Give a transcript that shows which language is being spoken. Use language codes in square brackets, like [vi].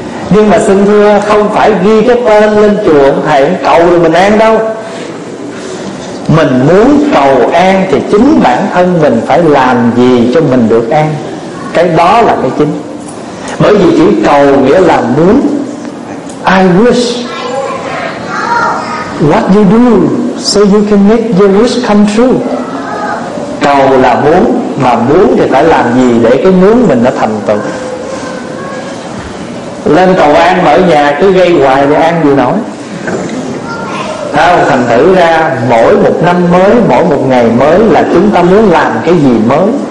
[vi] Nhưng mà xin thưa, không phải ghi cái tên lên chùa thầy cầu rồi mình an đâu. Mình muốn cầu an thì chính bản thân mình phải làm gì cho mình được an. Cái đó là cái chính. Bởi vì chữ cầu nghĩa là muốn. [en] I wish. What you do so you can make your wish come true. [vi] Cầu là muốn, mà muốn thì phải làm gì để cái muốn mình nó thành tựu. Lên cầu an mà ở nhà cứ gây hoài thì an gì nổi. Thành thử ra mỗi một năm mới, mỗi một ngày mới là chúng ta muốn làm cái gì mới.